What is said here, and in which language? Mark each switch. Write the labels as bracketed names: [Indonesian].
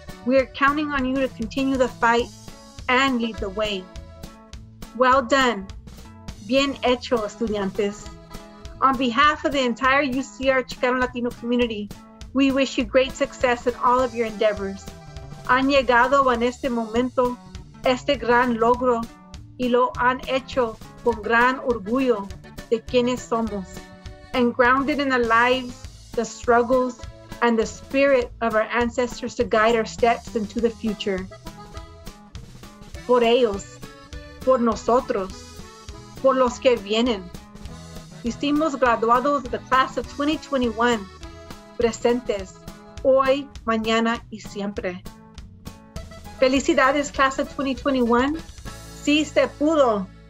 [English] We are counting on you to continue the fight and lead the way. Well done. [Spanish] Bien hecho, estudiantes. [English] On behalf of the entire UCR Chicano Latino community, we wish you great success in all of your endeavors. [Spanish] Han llegado en este momento este gran logro y lo han hecho con gran orgullo de quienes somos. [English] And grounded in the lives, the struggles, and the spirit of our ancestors to guide our steps into the future. [Spanish] Por ellos, por nosotros, por los que vienen. Distinguidos graduados de [English] the class of 2021, [Spanish] presentes, hoy, mañana y siempre. Felicidades, [English] class of 2021. [Spanish] Sí se pudo.